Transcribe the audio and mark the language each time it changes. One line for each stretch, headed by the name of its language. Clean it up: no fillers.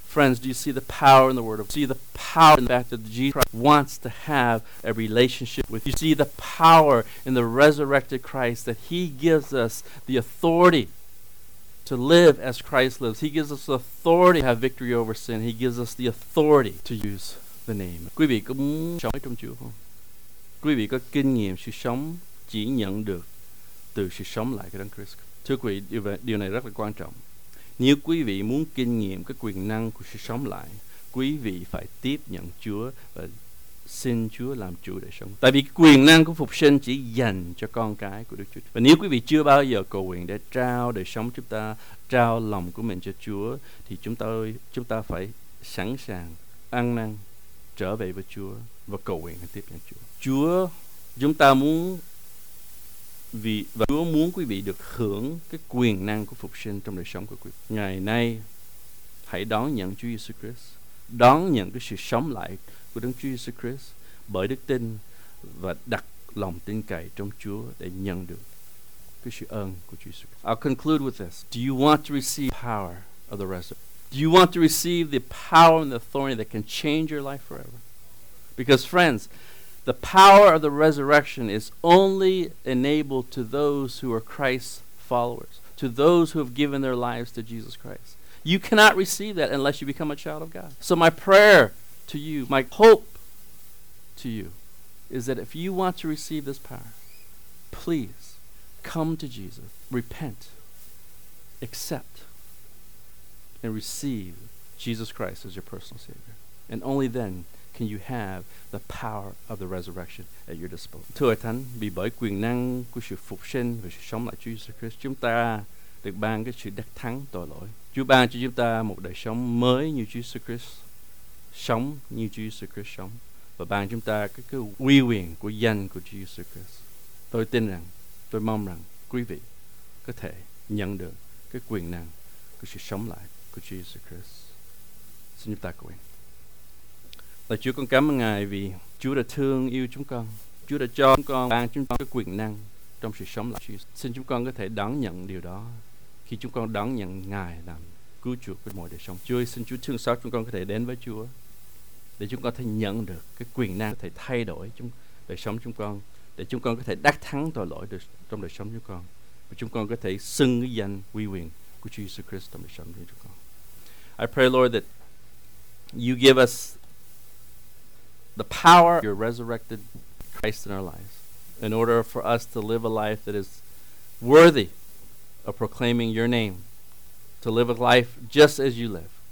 English: Friends, do you see the power in the word of God? See the power in the fact that Jesus Christ wants to have a relationship with you? See the power in the resurrected Christ, that he gives us the authority to live as Christ lives. He gives us the authority to have victory over sin. He gives us the authority to use the name.
Vietnamese: Quý vị có muốn sống trong Chúa không? Quý vị có kinh nghiệm sự sống chỉ nhận được từ sự sống lại của Đấng Christ? Thưa quý vị, điều này rất là quan trọng. Nếu quý vị muốn kinh nghiệm cái quyền năng của sự sống lại, quý vị phải tiếp nhận Chúa và xin Chúa làm chủ để sống. Tại vì quyền năng của phục sinh chỉ dành cho con cái của Đức Chúa. Và nếu quý vị chưa bao giờ cầu nguyện để trao đời sống chúng ta, trao lòng của mình cho Chúa, thì chúng ta phải sẵn sàng ăn năn trở về với Chúa và cầu nguyện để tiếp nhận Chúa. Chúa, chúng ta muốn vì và Chúa muốn quý vị được hưởng cái quyền năng của phục sinh trong đời sống của quý vị. Ngày nay hãy đón nhận Chúa Jesus Christ, đón nhận cái sự sống lại của Đấng Chúa Jesus Christ bởi đức tin và đặt lòng tin cậy trong Chúa để nhận được cái sự ơn của Chúa Jesus.
English: I'll conclude with this. Do you want to receive power of the resurrection? Do you want to receive the power and the authority that can change your life forever? Because friends, the power of the resurrection is only enabled to those who are Christ's followers, to those who have given their lives to Jesus Christ. You cannot receive that unless you become a child of God. So my prayer to you, my hope to you, is that if you want to receive this power, please come to Jesus, repent, accept, and receive Jesus Christ as your personal Savior. And only then can you have the power of the resurrection at your disposal.
Vietnamese: Thưa Thánh, vì bởi quyền năng của sự phục sinh và sự sống lại Chúa Jesus Christ, chúng ta được ban cái sự đắc thắng tội lỗi. Chúa ban cho chúng ta một đời sống mới như Chúa Jesus Christ sống, như Chúa Jesus Christ sống, và ban chúng ta cái uy quyền của danh của Chúa Jesus Christ. Tôi tin rằng, tôi mong rằng quý vị có thể nhận được cái quyền năng của sự sống lại của Chúa Jesus Christ. Xin chúng ta cầu nguyện. Lạy Chúa, con cảm ơn Ngài vì Chúa đã thương yêu chúng con. Chúa đã cho chúng con, ban chúng con cái quyền năng trong sự sống lại. Xin chúng con có thể đón nhận điều đó khi chúng con đón nhận Ngài làm cứu chuộc của mọi đời sống. Chúa ơi, xin Chúa thương xót chúng con có thể đến với Chúa để chúng con có thể nhận được cái quyền năng có thể thay đổi đời sống chúng con, để chúng con có thể đắc thắng tội lỗi được trong đời sống chúng con, và chúng con có thể xưng cái danh uy quyền của Chúa Jesus Christ trong đời sống của chúng con.
English: I pray, Lord, that you give us the power of your resurrected Christ in our lives in order for us to live a life that is worthy of proclaiming your name, to live a life just as you live.